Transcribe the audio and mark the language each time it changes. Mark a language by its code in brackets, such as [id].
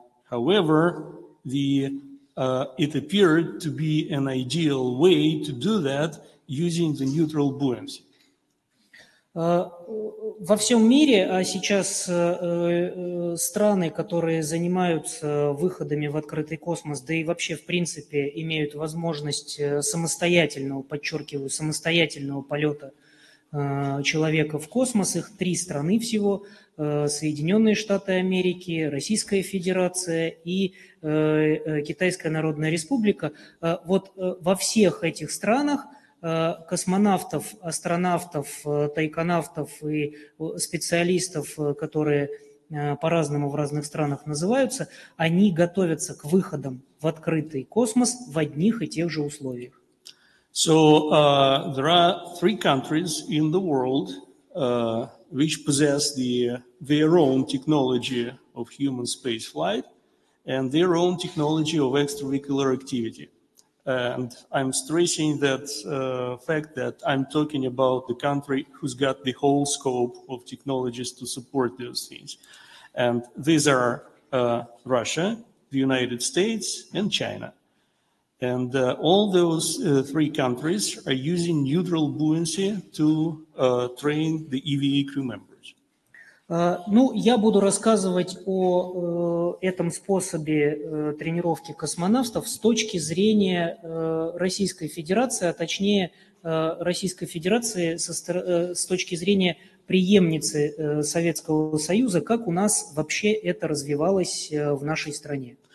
[en] However, it appeared to be an ideal way to do that using the neutral buoyancy. [ru] Во всем мире, а сейчас страны, которые занимаются выходами в открытый космос, да и вообще в принципе имеют возможность самостоятельного, подчеркиваю, самостоятельного полета человека в космос, их три страны всего: Соединенные Штаты Америки, Российская Федерация и Китайская Народная Республика. Вот во всех этих странах космонавтов, астронавтов, тайконавтов и специалистов, которые по-разному в разных странах называются, они готовятся к выходам в открытый космос в одних и тех же условиях. [en] So there are three countries in the world which possess their own technology of human space flight and their own technology of extravehicular activity. And I'm stressing that fact that I'm talking about the country who's got the whole scope of technologies to support those things. And these are Russia, the United States, and China. And all those three countries are using neutral buoyancy to train the EVA crew members. [ru] Ну, я буду рассказывать о этом способе тренировки космонавтов с точки зрения Российской Федерации, а точнее Российской Федерации с точки зрения преемницы Советского Союза, как у нас вообще это развивалось в нашей стране.